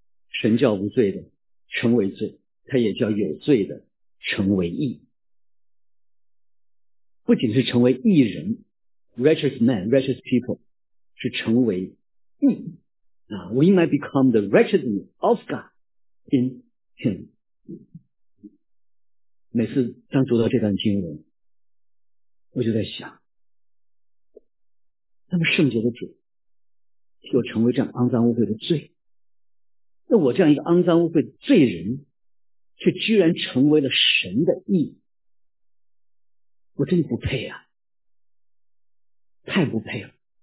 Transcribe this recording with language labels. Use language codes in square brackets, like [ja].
[zh] 神叫无罪的成为罪，他也叫有罪的成为义。不仅是成为义人， [en] righteous man, righteous people, [zh] 是成为义。 [en] We might become the righteousness of God in him. [zh] 每次当读到这段经文，我就在想，那么圣洁的主替我成为这样肮脏污秽的罪，那我这样一个肮脏污秽的罪人却居然成为了神的义，我真不配啊，太不配了。